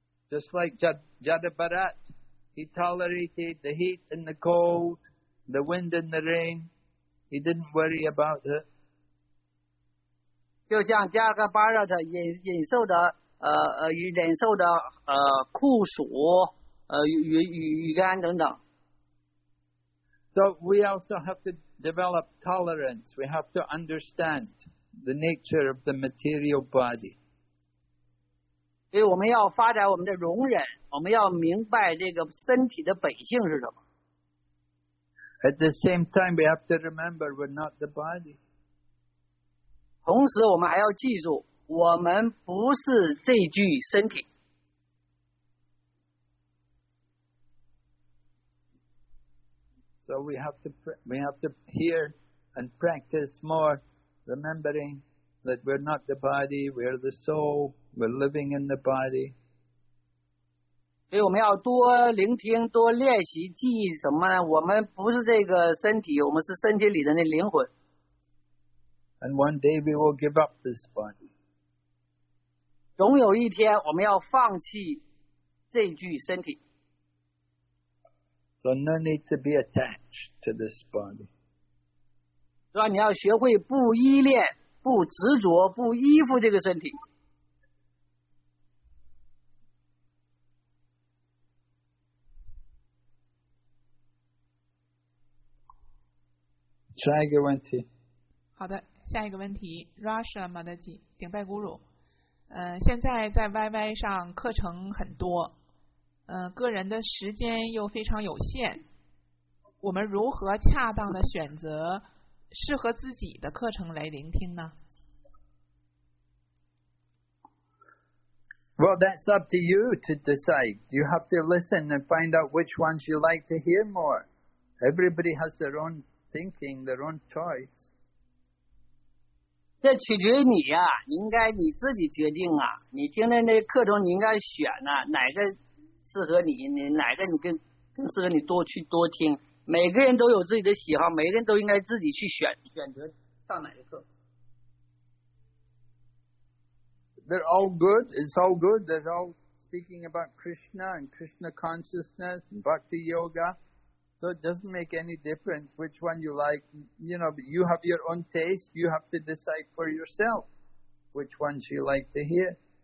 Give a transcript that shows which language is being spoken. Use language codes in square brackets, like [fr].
[en] Just like Jadabharat, he tolerated the heat and the cold, the wind and the rain. He didn't worry about it. [zh] 就像第二个巴勒特忍受的忍受的酷暑雨干等等。 [en] So we also have to develop tolerance. We have to understand the nature of the material body. [zh] 所以我们要发展我们的容忍，我们要明白这个身体的本性是什么。 [en] At the same time, we have to remember we're not the body. [zh] 同时我们还要记住，我们不是这具身体。 [en] So we have to hear and practice more, remembering that we're not the body, we're the soul, we're living in the body. [zh] 所以我们要多聆听，多练习，记忆什么呢？我们不是这个身体，我们是身体里的那灵魂。 [en] And one day we will give up this body. [zh] 总有一天我们要放弃这具身体。 [en] So no need to be attached to this body. [zh] 所以你要学会不依恋，不执着，不依附这个身体。下一个问题。好的，下一个问题 ，Russia Madaji， 顶拜 Guru。现在在 YY 上课程很多。个人的时间又非常有限，我们如何恰当的选择适合自己的课程来聆听呢 [en] ？Well, that's up to you to decide. You have to listen and find out which ones you like to hear more. Everybody has their own thinking, their own choice. [zh] 这取决于你呀、啊，应该你自己决定啊。你听的那课程，你应该选啊，哪个？适合你，你哪个你更适合你多去多听。每个人都有自己的喜好，每个人都应该自己去选择上哪一课。 [en] They're all good. It's all good. They're all speaking about Krishna and Krishna consciousness and Bhakti Yoga. So it doesn't make any difference which one you like. You know, you have your own taste. You have to decide for yourself which ones you like to hear.